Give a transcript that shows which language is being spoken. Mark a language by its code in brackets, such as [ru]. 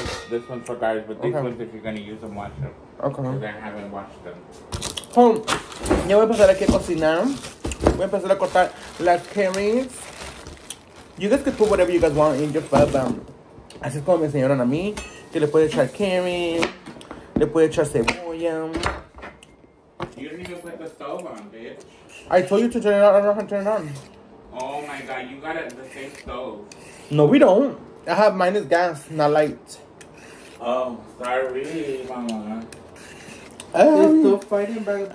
[en] This one's for garbage, but these ones, if you're going to use them, wash them. Okay. Because I haven't washed them. Home. [es] Yo voy a pasar aquí a cocinar. Voy a empezar a cortar las cherries. [en] You guys can put whatever you guys want in your pub. [es] Así es como me enseñaron a mí, que le puede echar cherry, le puede echar cebolla. [en] You didn't even put the stove on, bitch. I told you to turn it on, I don't know how to turn it on. Oh my god, you got it the same stove. No, we don't. I have mine is gas, not light. Oh, sorry, mama. There's no fighting back.